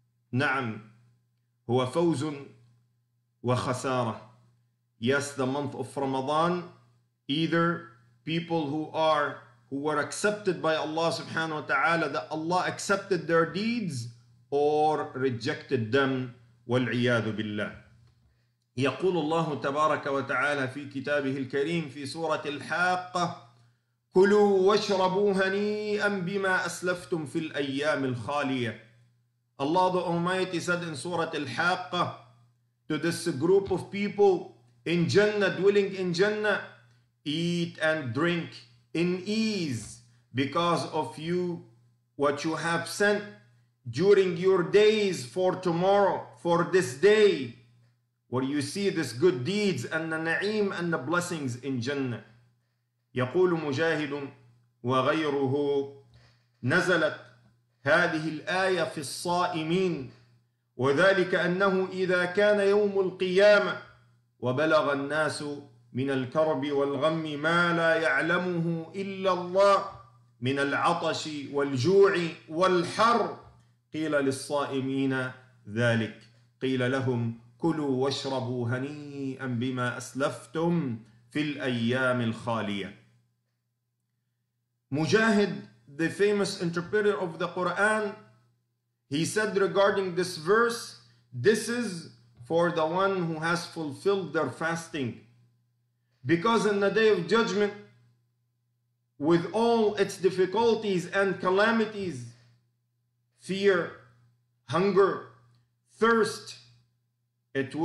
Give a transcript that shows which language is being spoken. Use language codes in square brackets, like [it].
[ar] نعم هو فوز وخسارة. [en] Yes, the month of Ramadan, either people who were accepted by Allah subhanahu wa ta'ala, that Allah accepted their deeds or rejected them. [ar] والعياذ بالله. يقول الله تبارك وتعالى في كتابه الكريم في سورة الحاقة: كلوا واشربوا هنيئا بما أسلفتم في الأيام الخالية. [en] Allah the Almighty said in Surah Al-Haqqa to this group of people in Jannah, dwelling in Jannah, eat and drink in ease because of you, what you have sent during your days for tomorrow, for this day, where you see this good deeds and the na'im and the blessings in Jannah. [ar] يقول مجاهد وغيره: نزلت هذه الآية في الصائمين، وذلك أنه إذا كان يوم القيامة وبلغ الناس من الكرب والغم ما لا يعلمه إلا الله من العطش والجوع والحر، قيل للصائمين ذلك، قيل لهم: كلوا واشربوا هنيئا بما أسلفتم في الأيام الخالية. [en] مجاهد, the famous interpreter of the Quran, he said regarding this verse, this is for the one who has fulfilled their fasting. Because in the Day of Judgment, with all its difficulties and calamities, fear, hunger, thirst, the